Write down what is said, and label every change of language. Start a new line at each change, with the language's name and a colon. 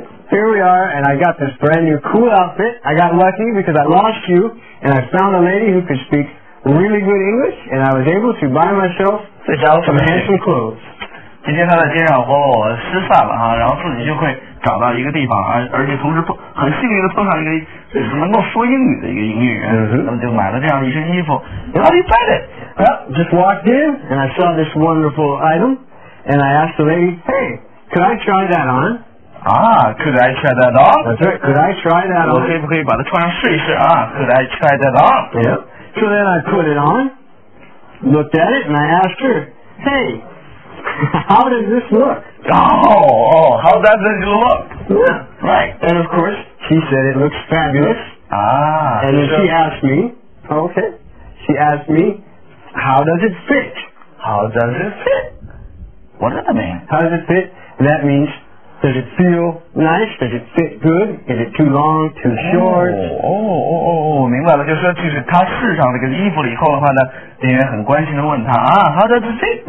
English: Here we are, and I got this brand new cool outfit. I got lucky because I lost you, and I found a lady who could speak really good English, and I was able to buy myself some handsome clothes.
Chinese: 今天他在街上和我失散了哈，然后自己就会找到一个地方，而且同时很幸运的碰上一个能够说英语的一个英语人，那么就买了这样一身衣服。
English: How do you find it? Well, just walked in, and I saw this wonderful item. And I asked the lady, hey, could I try that on? Ah, could I try that on? That's right, could I try that on?
Chinese: 我可以不可以把它穿上试一试啊
English: Could I try that on? Yep. So then I put it on, looked at it, and I asked her, hey, how does this look? Oh, how does this look? Yeah. Right. And of course, she said it looks fabulous. Ah. And then she asked me, okay, she asked me, how does it fit? How does it fit? What does that mean? How does it fit? That means, does it feel nice? Does it fit good? Is it too long? Too short?
Chinese: 明白了，就是说，就是他试上这个衣服了以后的话呢，店员很关心地问他啊 ，
English: How does it fit?